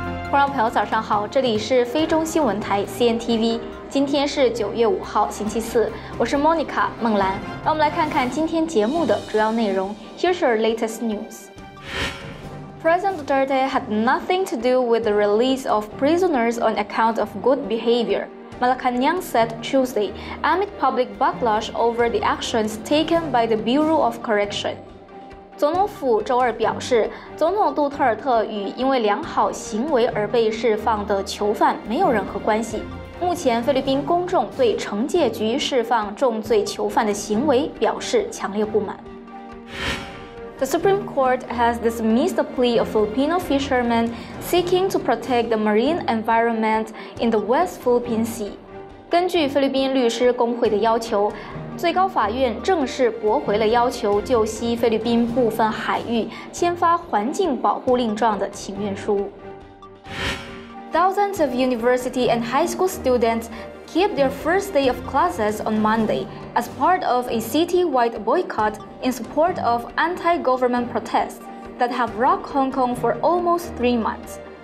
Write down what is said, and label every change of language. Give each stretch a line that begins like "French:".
Chinese: 观众朋友早上好，这里是菲中新闻台 CNTV， 今天是9月5号星期四，我是 Monica 孟兰，让我们来看看今天节目的主要内容。
English: Here's your latest news. President Duterte had nothing to do with the release of prisoners on account of good behavior, Malacanang said Tuesday amid public backlash over the actions taken by the Bureau of Correction.
Chinese: 总统府周二表示，总统杜特尔特与因为良好行为而被释放的囚犯没有任何关系。目前，菲律宾公众对惩戒局释放重罪囚犯的行为表示强烈不满。
English: The Supreme Court has dismissed the plea of Filipino fishermen seeking to protect the marine environment in the West Philippine Sea.
Chinese: 根据菲律宾律师工会的要求，最高法院正式驳回了要求就西菲律宾部分海域签发环境保护令状的请愿书。
English: Thousands of university and high school students keep their first day of classes on Monday as part of a city-wide boycott in support of anti-government protests that have rocked Hong Kong for almost 3 months.